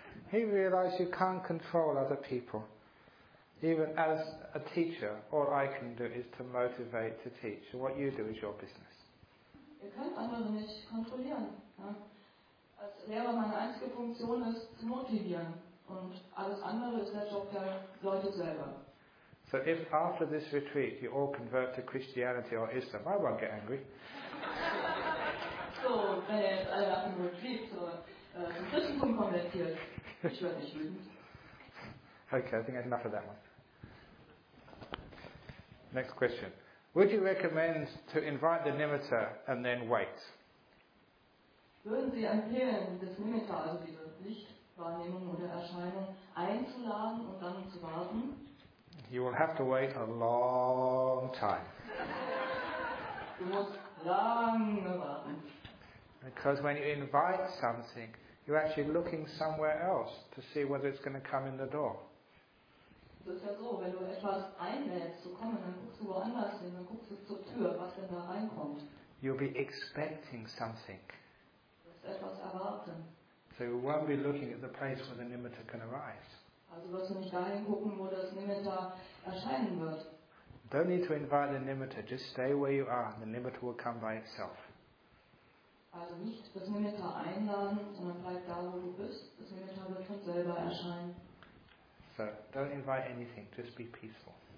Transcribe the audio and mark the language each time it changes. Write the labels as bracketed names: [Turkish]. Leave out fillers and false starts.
[English] He realized you can't control other people. Even as a teacher, all I can do is to motivate to teach. What you do is your business. [German] Ihr könnt andere nicht kontrollieren. Ja? Als Lehrer, meine einzige Funktion ist zu motivieren. Und alles andere ist der Job der Leute selber. [English] So if after this retreat you all convert to Christianity or Islam, I won't get angry. [German] So, wenn ihr jetzt alle nach dem Retreat zum Christentum konvertiert, ich werde nicht wütend. [English] Okay, I think that's enough of that one. Next question. Would you recommend to invite the Nimitta and then wait? [German] Würden Sie empfehlen, das Nimitta, also diese Lichtwahrnehmung oder Erscheinung, einzuladen und dann zu warten? [English] You will have to wait a long time. [German] Du musst lange warten. [English] Because when you invite something, you're actually looking somewhere else to see whether it's going to come in the door. [German] Das ist ja so, wenn du etwas einlädst zu kommen, dann guckst du woanders hin, dann guckst du zur Tür, was denn da reinkommt. [English] You'll be expecting something. [German] Du wirst etwas erwarten. [English] So you won't be looking at the place where the Nimitta can arise. [German] Also wirst du nicht dahin gucken, wo das Nimitta erscheinen wird. [English] Don't need to invite the Nimitta, just stay where you are and the Nimitta will come by itself. [German] Also nicht das Nimitta einladen, sondern bleib da, wo du bist. Das Nimitta wird von selber erscheinen. [English] So, don't invite anything, just be peaceful.